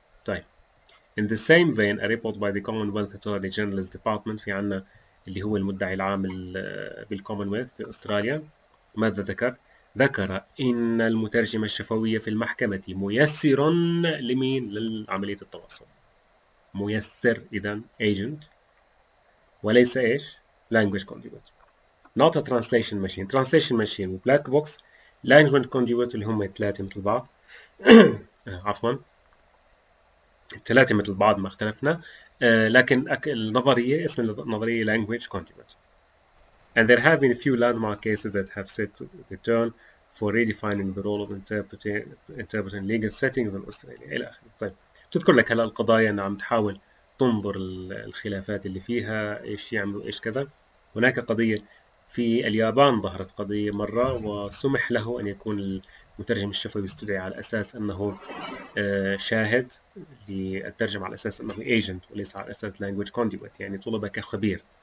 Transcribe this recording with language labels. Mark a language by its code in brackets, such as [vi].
[ar] طيب [en] in the same vein a report by the Commonwealth Attorney General's Department, [ar] في عنا اللي هو المدعي العام بالكومنولث في أستراليا, ماذا ذكر؟ ذكر إن المترجم الشفوي في المحكمة ميسر لمين؟ لعملية التواصل. ميسر إذا agent وليس إيش؟ language conduit. [en] Not a translation machine. Translation machine black box, language conduit [ar] اللي هم الثلاثة مثل بعض. عفوا الثلاثة مثل بعض ما اختلفنا, لكن النظرية اسم النظرية language conduit. [en] And there have been a few landmark cases that have set the tone for redefining the role of interpreting legal settings in Australia. [ar] إلى آخره. طيب تذكر لك هلا القضايا أنها عم تحاول تنظر الخلافات اللي فيها إيش يعملوا إيش كذا. هناك قضية في اليابان, ظهرت قضية مرة وسمح له أن يكون المترجم الشفوي يستدعي على أساس أنه شاهد للترجمة على أساس أنه agent وليس على أساس language conduit, يعني طلب كخبير.